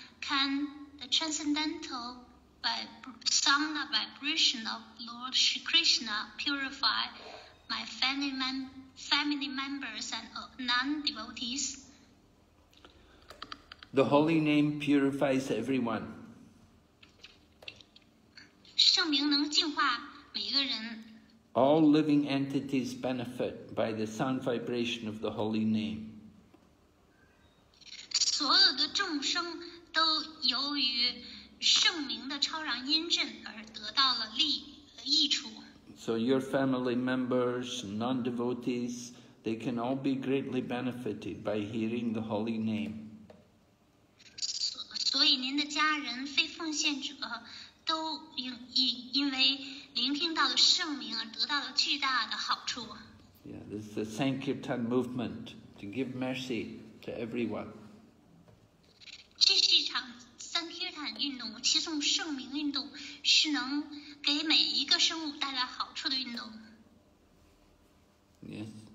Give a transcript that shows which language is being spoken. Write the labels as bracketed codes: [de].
[en] Can the transcendental sound vibration of Lord Shri Krishna purify my family members and non-devotees? The holy name purifies everyone. [zh] 圣名能净化每个人。 [en] All living entities benefit by the sound vibration of the holy name. [zh] 所有的众生都由于圣名的超然音阵而得到了利益处。 [en] So your family members, non-devotees, they can all be greatly benefited by hearing the holy name. [zh] 所以您的家人非奉献者都因为聆听到了圣名而得到了巨大的好处。 [en] Yeah, this is the Sankirtan movement to give mercy to everyone. [zh] 这是一场 Sankirtan 运动，其中圣名运动是能给每一个生物带来好处的运动。 [en] Yes.